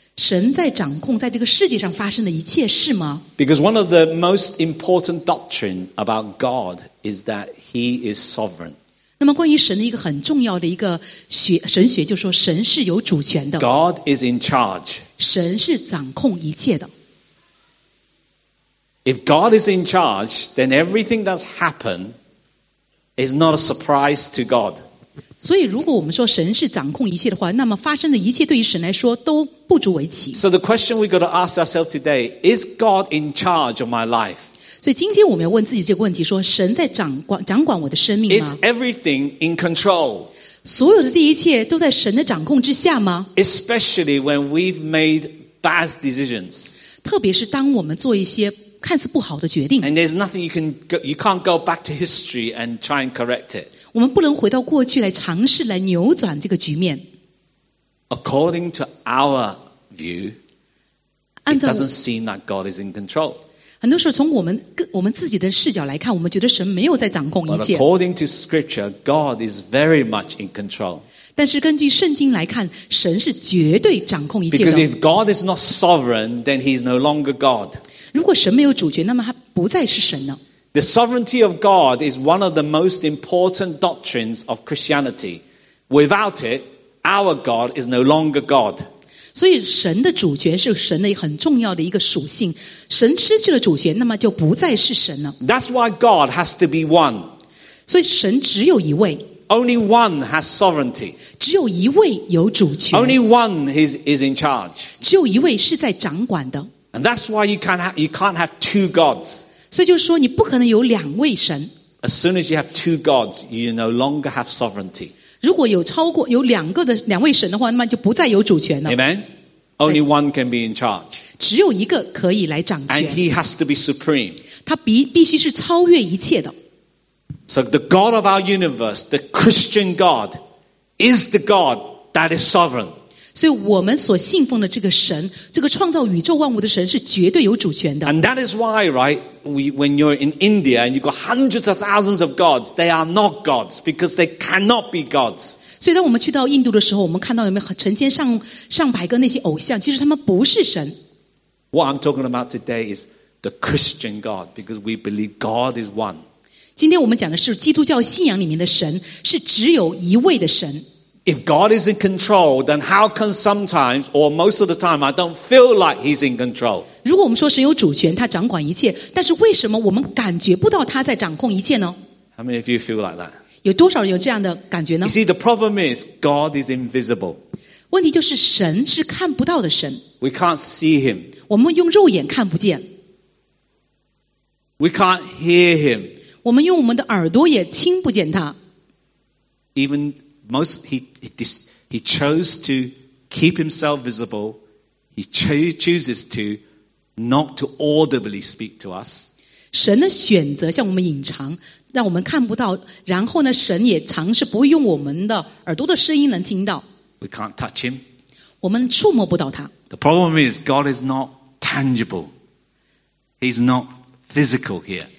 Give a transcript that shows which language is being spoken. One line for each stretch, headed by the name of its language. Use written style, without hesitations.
Chinese: 神在掌控在这个世界上发生的一切事吗
English: ？Because one of the most important doctrine about God is that He is sovereign.
Chinese: 那么关于神的一个很重要的一个神学，就是说神是有主权的。
English: God is in charge.
Chinese: 神是掌控一切的。
English: If God is in charge, then everything that's happened. Is not a surprise to God.
Chinese: 所以如果我们说神是掌控一切的话那么发生的一切对于神来说都不足为奇。
English: So the question we've got to ask ourselves today, is God in charge of my life?
Chinese: 所以今天我们要问自己这个问题说神在掌管我的生命吗
English: Is everything in control?
Chinese: 所有的这一切都在神的掌控之下吗
English: Especially when we've made bad decisions.
Chinese: 特别是当我们做一些看似不好的决定。
English: And there's nothing you can go, you can't go back to history and try and correct it.
Chinese: 我们不能回到过去来尝试来扭转这个局面。
English: According to our view, it doesn't seem that God is in control.
Chinese: 很多时候从我们自己的视角来看，我们觉得神没有在掌控一切。
English: But according to Scripture, God is very much in control.
Chinese: 但是根据圣经来看，神是绝对掌控一切的。
English: Because if God is not sovereign, then he is no longer God.
Chinese: 如果神没有主权，那么他不再是神了。
English: The sovereignty of God is one of the most important doctrines of Christianity. Without it, our God is no longer God.
Chinese: 所以神的主权是神的很重要的一个属性。神失去了主权，那么就不再是神了。
English: That's why God has to be one.
Chinese: 所以神只有一位。
English: Only one has sovereignty.
Chinese: 只有一位有主权。
English: Only one is in charge.
Chinese: 只有一位是在掌管的。
English: And that's why you can't have two gods.
Chinese: 所以就是说你不可能有两位神。
English: As soon as you have two gods, you no longer have sovereignty.
Chinese: 如果有超过有两个的两位神的话，那么就不再有主权了。
English: Amen? Only one can be in charge.
Chinese: 只有一个可以来掌权。
English: And he has to be supreme.
Chinese: 他必须是超越一切的。
English: So the God of our universe, the Christian God, is the God that is sovereign.
Chinese: 所以我们所信奉的这个神，这个创造宇宙万物的神是绝对有主权的。
English: And that is why, right, when you're in India and you've got hundreds of thousands of gods, they are not gods because they cannot be gods.
Chinese: 所以当我们去到印度的时候，我们看到有没有成千上百个那些偶像，其实他们不是神。
English: What I'm talking about today is the Christian God because we believe God is one.
Chinese: 今天我们讲的是基督教信仰里面的神是只有一位的神。
English: If God is in control, then how come sometimes or most of the time I don't feel like He's in control?
Chinese: 如果我们说神有主权，他掌管一切，但是为什么我们感觉不到他在掌控一切呢？
English: How many of you feel like that?
Chinese: 有多少人有这样的感觉呢？
English: You see, the problem is God is invisible.
Chinese: 问题就是神是看不到的神。
English: We can't see Him.
Chinese: 我们用肉眼看不见。
English: We can't hear Him.
Chinese: 我们用我们的耳朵也听不见他。
English: Even most he chose to keep himself visible. He chooses to not to audibly speak to us.
Chinese: 神的选择向我们隐藏，让我们看不到。然后呢，神也尝试不会用我们的耳朵的声音能听到。
English: We can't touch him.
Chinese: 我们触摸不到他。
English: The problem is God is not tangible. He's not physical here.